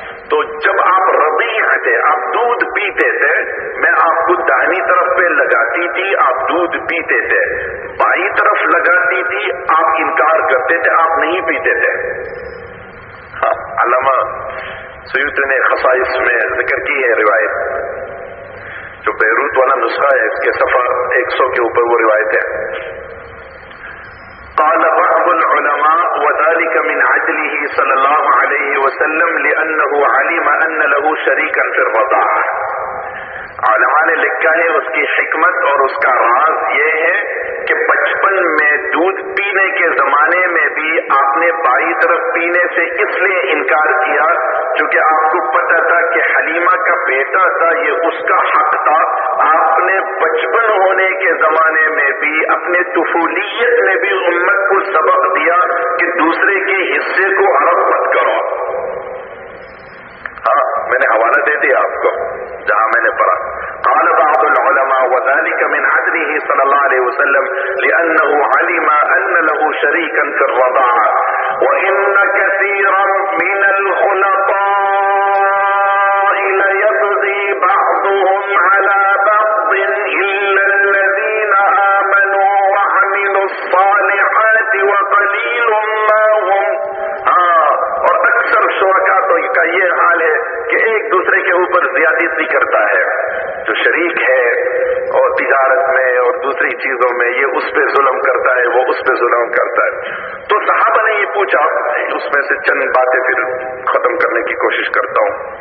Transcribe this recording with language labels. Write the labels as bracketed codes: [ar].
[ur] تو جب آپ رضیع تھے، آپ دودھ پیتے تھے، میں آپ کو دائنی طرف پہ لگاتی تھی آپ دودھ پیتے تھے، بائیں طرف لگاتی تھی آپ انکار کرتے تھے، آپ نہیں پیتے تھے. علامہ سیوطی نے خصائص میں ذکر کی ہے روایت، جو بیروت والا نسخہ ہے اس کے صفحہ 100 کے اوپر وہ روایت ہے. [ar] قال بعض العلماء وذلك من عدله صلى الله عليه وسلم لانه علم ان له شريكا في الرضاع. [ur] علماء نے لکھا ہے اس کی حکمت اور اس کا راز یہ ہے کہ بچپن میں دودھ پینے کے زمانے میں بھی آپ نے بائیں طرف پینے سے اس لیے انکار کیا چونکہ آپ کو پتہ تھا کہ حلیمہ کا بیٹا تھا، یہ اس کا حق تھا. آپ نے بچپن ہونے کے زمانے میں بھی، اپنے طفولیت میں بھی امت کو سبق دیا کہ دوسرے کے حصے کو عرب مت کرو. ہاں میں نے حوالہ دے دیا آپ کو جہاں میں نے پڑھا. [ar] قال بعض العلماء وذلك من عدله صلى الله عليه وسلم لانه علم ان له شريكا في الرضاعة وان كثيرا من الخلطاء ليبغي بعضهم على بعض الا الذين امنوا وعملوا الصالحات وقليل ما هم. [ur] اور اکثر شرکاتوں کا یہ حال ہے کہ ایک دوسرے کے اوپر زیادتی کرتا ہے، جو شریک ہے اور تجارت میں اور دوسری چیزوں میں، یہ اس پہ ظلم کرتا ہے، وہ اس پہ ظلم کرتا ہے. تو صحابہ نے یہ پوچھا، اس میں سے چند باتیں پھر ختم کرنے کی کوشش کرتا ہوں.